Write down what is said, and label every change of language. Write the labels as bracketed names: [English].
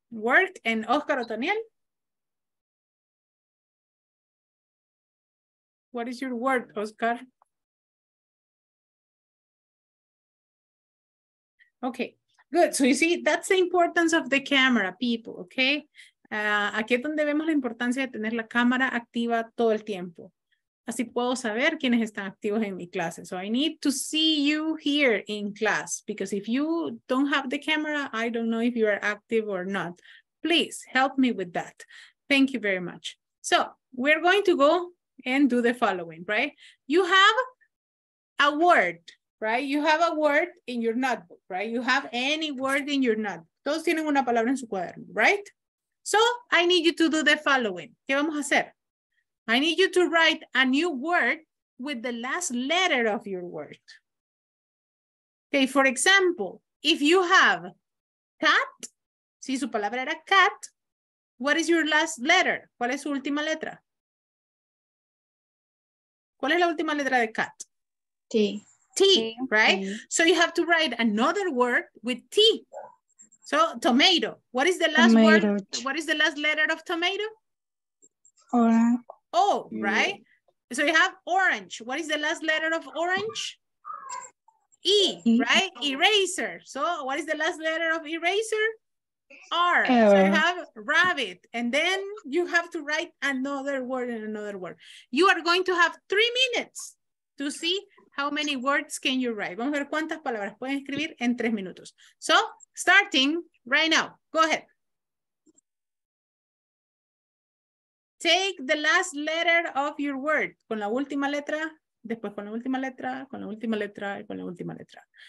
[English] Work. And Oscar Otoniel. What is your word, Oscar? Okay, good. So you see, that's the importance of the camera, people, okay? [Spanish] Aquí es donde vemos la importancia de tener la cámara activa todo el tiempo. Así puedo saber quiénes están activos en mi clase. [English] So I need to see you here in class, because if you don't have the camera, I don't know if you are active or not. Please help me with that. Thank you very much. So we're going to go and do the following, right? You have a word, right? You have a word in your notebook, right? You have any word in your notebook. [Spanish] Todos tienen una palabra en su cuaderno, [English] right? So I need you to do the following. [Spanish] ¿Qué vamos a hacer? [English] I need you to write a new word with the last letter of your word. Okay, for example, if you have cat, [Spanish] si su palabra era cat, [English] what is your last letter? [Spanish] ¿Cuál es su última letra? ¿Cuál es la última letra de cat? [English] T. T, right? T. So you have to write another word with T. So tomato, what is the last tomato word? What is the last letter of tomato? Orange. Oh, right? So you have orange. What is the last letter of orange? E, right? Eraser. So what is the last letter of eraser? R. So you have rabbit. And then you have to write another word and another word. You are going to have 3 minutes to see how many words can you write. [Spanish] Vamos a ver cuántas palabras pueden escribir en 3 minutos. [English] So, starting right now. Go ahead. Take the last letter of your word. [Spanish] Con la última letra, después con la última letra, con la última letra, y con la última letra.